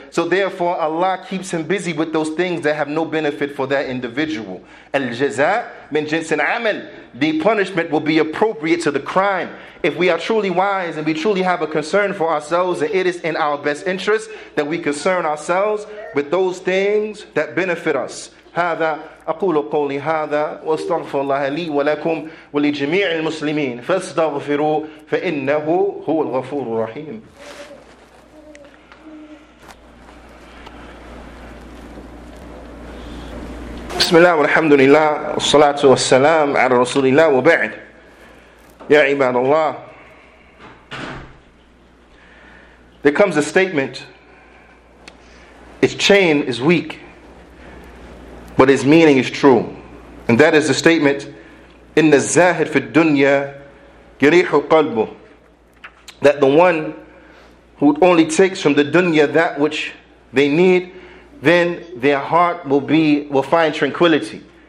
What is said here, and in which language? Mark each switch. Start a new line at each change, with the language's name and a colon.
English: So therefore, Allah keeps him busy with those things that have no benefit for that individual.
Arabic: Al-jaza min jins al-amal.
English: The punishment will be appropriate to the crime. If we are truly wise and we truly have a concern for ourselves, and it is in our best interest that we concern ourselves with those things that benefit us.
Arabic: هذا أقول قولي هذا واستغفر الله لي ولكم ولجميع المسلمين فاستغفروا فإنه هو الغفور الرحيم. بسم الله والحمد لله والصلاة والسلام على رسول الله وبعد يا عباد الله.
English: There comes a statement, its chain is weak but his meaning is true. And that is the statement,
Arabic: إِنَّ الزَّاهِدْ فِي الدُّنْيَا يَرِيحُ قَلْبُ.
English: That the one who only takes from the dunya that which they need, then their heart will find tranquility.